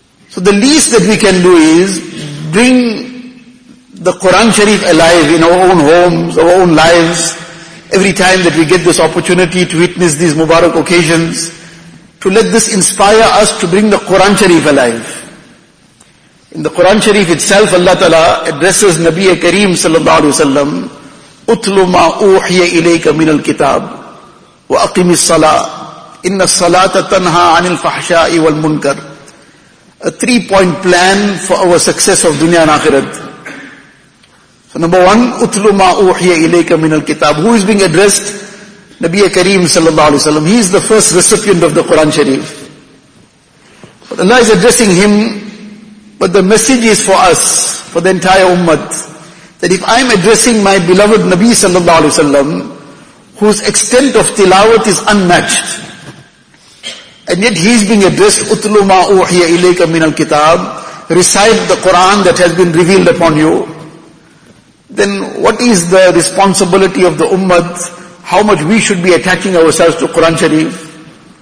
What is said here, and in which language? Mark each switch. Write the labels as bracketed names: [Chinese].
[English] So the least that we can do is bring the Quran Sharif alive in our own homes, our own lives, every time that we get this opportunity to witness these Mubarak occasions, to let this inspire us to bring the Quran Sharif alive. In the Quran Sharif itself, Allah Ta'ala addresses Nabi Kareem Sallallahu Alaihi Wasallam, [Arabic] أُتْلُ مَا أُوحِيَ إِلَيْكَ مِنَ الْكِتَابِ وَأَقِمِ الصَّلَاةِ إِنَّ الصَّلَاةَ تَنْهَى عَنِ الْفَحْشَاءِ وَالْمُنْكَرِ. [English] A 3-point plan for our success of dunya and akhirat. So number one, [Arabic] أُتْلُ مَا أُوحِيَ إِلَيْكَ مِنَ الْكِتَابِ. [English] Who is being addressed? Nabi Kareem Sallallahu Alaihi Wasallam. He is the first recipient of the Quran Sharif. But Allah is addressing him, but the message is for us, for the entire ummah, that if I am addressing my beloved Nabi sallallahu alaihi wasallam, whose extent of tilawat is unmatched, and yet he is being addressed, [Arabic] utlu ma uhiya ilayka min al-kitab, [English] recite the Quran that has been revealed upon you, then what is the responsibility of the ummah, how much we should be attaching ourselves to Quran Sharif?